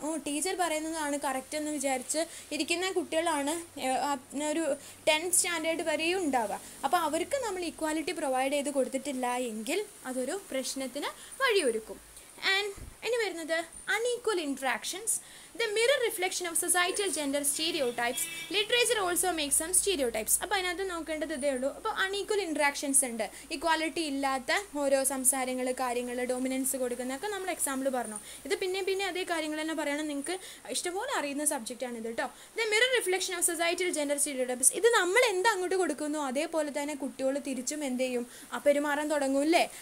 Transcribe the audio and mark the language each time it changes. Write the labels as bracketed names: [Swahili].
[Malayalam] ഓ, teacher പറയുന്നതാണ് correct എന്ന് വിചാരിച്ച് ഇരിക്കുന്ന കുട്ടികളാണ് ഒരു 10th സ്റ്റാൻഡേർഡ് വരെയും ഉണ്ടാവുക. അപ്പോൾ അവർക്ക് നമ്മൾ ഇക്വാലിറ്റി പ്രൊവൈഡ് ചെയ്ത് കൊടുത്തിട്ടില്ല എങ്കിൽ അതൊരു പ്രശ്നത്തിന് വഴിയൊരുക്കും. ആൻഡ് ഇനി വരുന്നത് unequal interactions. [English] The mirror reflection of societal gender stereotypes, literature also makes some stereotypes. [Malayalam] അപ്പോൾ അതിനകത്ത് നോക്കേണ്ടത് ഇതേ ഉള്ളൂ. അപ്പോൾ അൺഈക്വൽ ഇൻട്രാക്ഷൻസ് ഉണ്ട്, ഇക്വാലിറ്റി ഇല്ലാത്ത ഓരോ സംസാരങ്ങൾ, കാര്യങ്ങൾ, ഡൊമിനൻസ് കൊടുക്കുന്നതൊക്കെ നമ്മൾ എക്സാമ്പിൾ പറഞ്ഞു. ഇത് പിന്നെയും പിന്നെ അതേ കാര്യങ്ങൾ തന്നെ പറയണം, നിങ്ങൾക്ക് ഇഷ്ടംപോലെ അറിയുന്ന സബ്ജക്റ്റാണിത് കേട്ടോ. [English] the mirror reflection of societal gender stereotypes, [Malayalam] ഇത് നമ്മൾ എന്ത് അങ്ങോട്ട് കൊടുക്കുന്നു അതേപോലെ തന്നെ കുട്ടികൾ തിരിച്ചും എന്ത് ചെയ്യും, പെരുമാറാൻ തുടങ്ങും അല്ലേ.